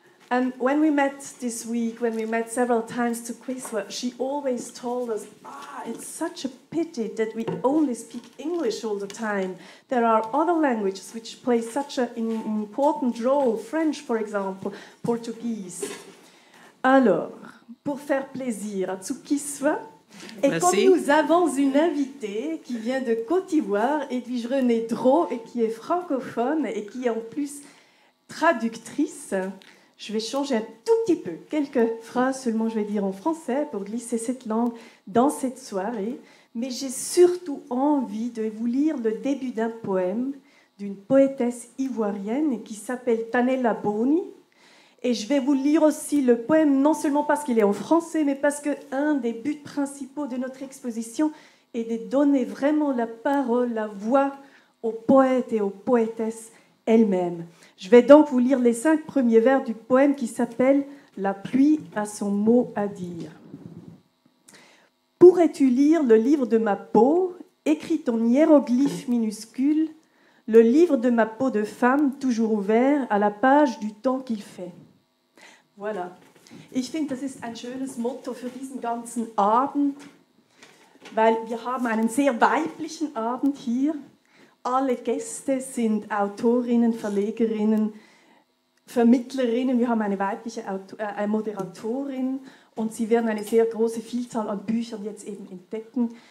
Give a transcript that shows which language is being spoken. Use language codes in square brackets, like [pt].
[en] And when we met this week, when we met several times to Zukiswa, she always told us, it's such a pity that we only speak English all the time. There are other languages which play such an important role, French, for example, Portuguese. [fr] Alors, pour faire plaisir à Zukiswa, et comme nous avons une invitée qui vient de Côte d'Ivoire, Edwige-Renée Dro, et qui est francophone et qui est en plus traductrice, je vais changer un tout petit peu, quelques phrases seulement je vais dire en français pour glisser cette langue dans cette soirée. Mais j'ai surtout envie de vous lire le début d'un poème d'une poétesse ivoirienne qui s'appelle Tanella Boni. Et je vais vous lire aussi le poème, non seulement parce qu'il est en français, mais parce qu'un des buts principaux de notre exposition est de donner vraiment la parole, la voix aux poètes et aux poétesses elles-mêmes. Je vais donc vous lire les cinq premiers vers du poème qui s'appelle « La pluie a son mot à dire ». Pourrais-tu lire le livre de ma peau, écrit en hiéroglyphe minuscule, le livre de ma peau de femme, toujours ouvert, à la page du temps qu'il fait. Voilà. [de] Ich finde, das ist ein schönes Motto für diesen ganzen Abend, weil wir haben einen sehr weiblichen Abend hier. Alle Gäste sind Autorinnen, Verlegerinnen, Vermittlerinnen. Wir haben eine weibliche Moderatorin und sie werden eine sehr große Vielzahl an Büchern jetzt eben entdecken.